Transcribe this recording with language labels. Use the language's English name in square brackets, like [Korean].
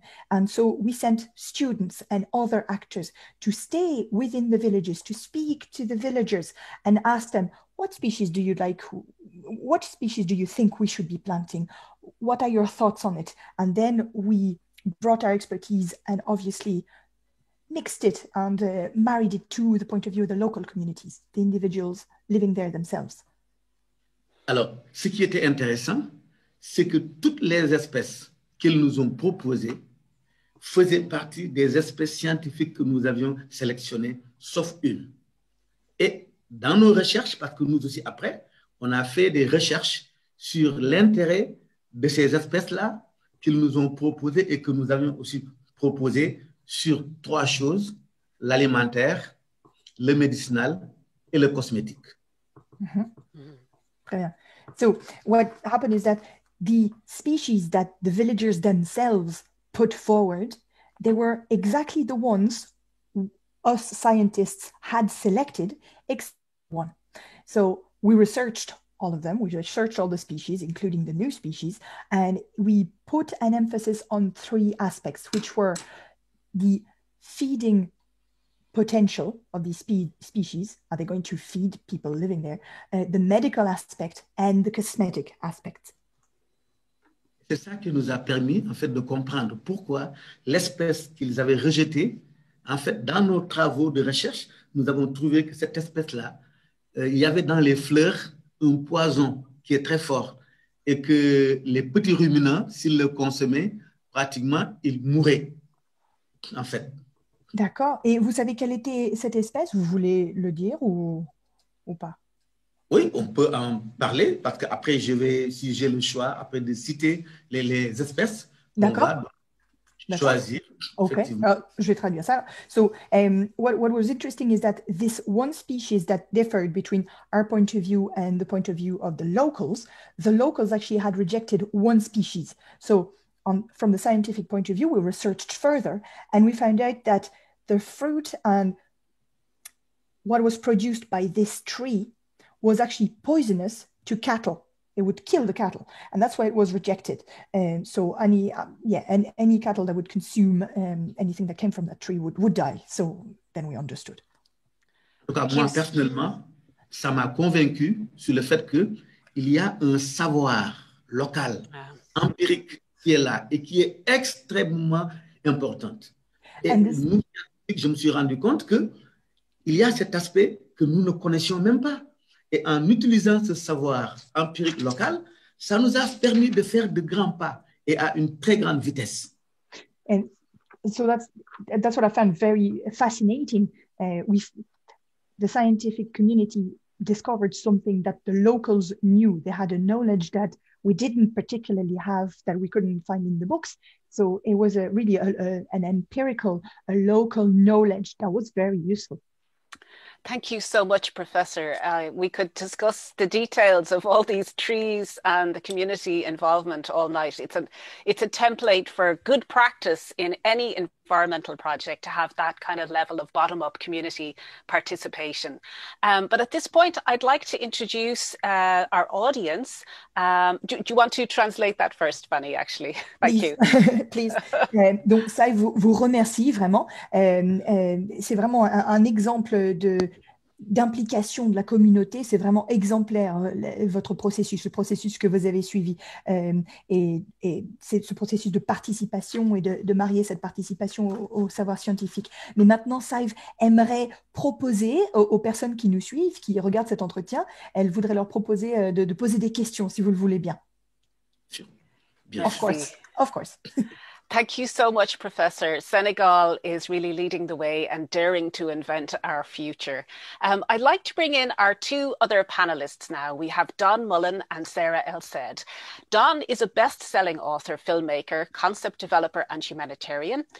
[English] And so we sent students and other actors to stay within the villages, to speak to the villagers and ask them, what species do you like? What species do you think we should be planting? What are your thoughts on it? And then we brought our expertise and obviously mixed it and married it to the point of view of the local communities, the individuals living there themselves. [French] Alors, ce qui était intéressant, c'est que toutes les espèces qu'ils nous ont proposé faisait partie des espèces scientifiques que nous avions sélectionnées, sauf une. Et dans nos recherches, parce que nous aussi après, on a fait des recherches sur l'intérêt de ces espèces-là qu'ils nous ont proposées et que nous avions aussi proposées sur trois choses, l'alimentaire, le médicinal et le cosmétique. Très bien. [English] So, what happened is that the species that the villagers themselves put forward, they were exactly the ones us scientists had selected, except one. So we researched all of them, we researched all the species, including the new species, and we put an emphasis on three aspects, which were the feeding potential of these species. Are they going to feed people living there? The medical aspect and the cosmetic aspect. [French] C'est ça qui nous a permis en fait de comprendre pourquoi l'espèce qu'ils avaient rejetée, en fait, dans nos travaux de recherche, nous avons trouvé que cette espèce-là, il y avait dans les fleurs un poison qui est très fort et que les petits ruminants, s'ils le consommaient, pratiquement, ils mouraient, en fait. D'accord. Et vous savez quelle était cette espèce? Vous voulez le dire ou pas? Oui, on peut en parler parce que après je vais, si j'ai le choix, après de citer les espèces, d'accord, on va choisir. Ok, je vais traduire ça. [English] So, what was interesting is that this one species that differed between our point of view and the point of view of the locals actually had rejected one species. So, from the scientific point of view, we researched further and we found out that the fruit and what was produced by this tree was actually poisonous to cattle. It would kill the cattle, and that's why it was rejected. So any cattle that would consume anything that came from that tree would die. So then we understood. [French] Donc, moi, yes. Personnellement, ça m'a convaincu sur le fait que il y a un savoir local, empirique, qui est là et qui est extrêmement importante. Et je me suis rendu compte que il y a cet aspect que nous ne connaissions même pas. Et en utilisant ce savoir empirique local, ça nous a permis de faire de grands pas et à une très grande vitesse. [English] And so that's what I found very fascinating. The scientific community discovered something that the locals knew. They had a knowledge that we didn't particularly have, that we couldn't find in the books. So it was a really an empirical local knowledge that was very useful. Thank you so much, Professor. We could discuss the details of all these trees and the community involvement all night. It's a template for good practice in any environmental project to have that kind of level of bottom-up community participation. But at this point, I'd like to introduce our audience. Do you want to translate that first, Fanny, actually? Thank please. You. [French] Please. Donc, ça, vous remercie vraiment. C'est vraiment un exemple d'implication de la communauté, c'est vraiment exemplaire, votre processus, le processus que vous avez suivi. Et c'est ce processus de participation et de marier cette participation au savoir scientifique. Mais maintenant, Sadhbh aimerait proposer aux personnes qui nous suivent, qui regardent cet entretien, elle voudrait leur proposer de poser des questions, si vous le voulez bien. Bien sûr. [English] Of course. Thank you so much, Professor. Senegal is really leading the way and daring to invent our future. I'd like to bring in our two other panelists now. We have Don Mullan and Sarah Elsaid. Don is a best-selling author, filmmaker, concept developer and humanitarian.